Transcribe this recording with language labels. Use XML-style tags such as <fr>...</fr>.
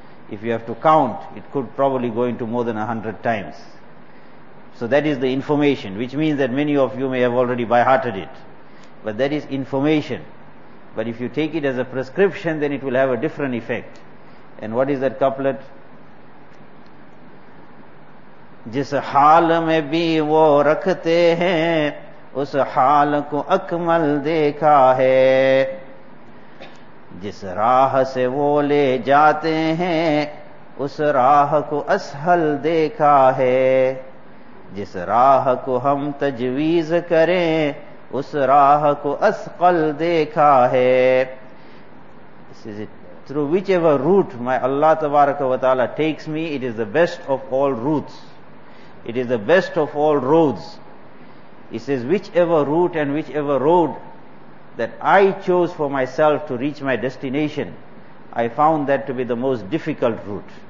<en>If you have to count, it could probably go into more than 100 times. So that is the information, which means that many of you may have already by-hearted it. But that is information. But if you take it as a prescription, then it will have a different effect. And what is that couplet?</en> <ur>جس حال میں بھی وہ رکھتے ہیں اس حال کو اکمل دیکھا ہے جس راہ سے وہ لے جاتے ہیں اس راہ کو اسحل دیکھا ہے جس راہ کو ہم تجویز کریں اس راہ کو اسقل دیکھا ہے.</ur> <en>Through whichever route my Allah</en> <ar>تبارک و تعالی</ar> <en>takes me, it is the best of all routes. It is the best of all roads. He says, whichever route and whichever road that I chose for myself to reach my destination, I found that to be the most difficult route.</en>